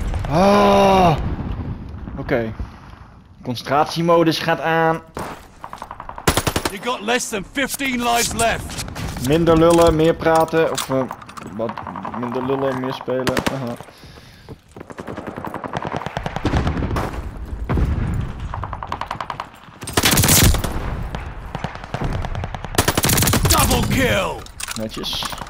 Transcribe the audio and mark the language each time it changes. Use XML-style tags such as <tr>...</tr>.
<nl>Ah. Oké. Concentratiemodus gaat aan.</nl> <en>You got less than 15 lives left.</en> <nl>Minder lullen, meer praten. Of wat? Minder lullen, meer spelen. Uh-huh.</nl> <en>kill.</en> <nl>Netjes.</nl>